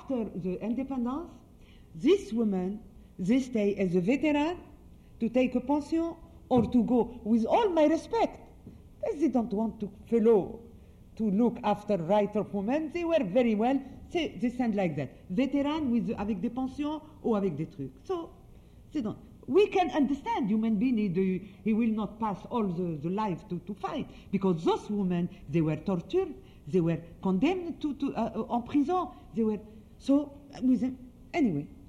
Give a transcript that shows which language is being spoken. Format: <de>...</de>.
<en>After the independence, this woman, they stay as a veteran to take a pension or to go, with all my respect, they don't want to follow to look after right of women. They were very well, they stand like that.</en> <fr>Veteran avec des pensions ou avec des trucs.</fr> <en>So, they don't. We can understand human being, he will not pass all the life to fight, because those women, they were tortured, they were condemned to</en> <fr>en prison,</fr> <en>they were, so, anyway.</en>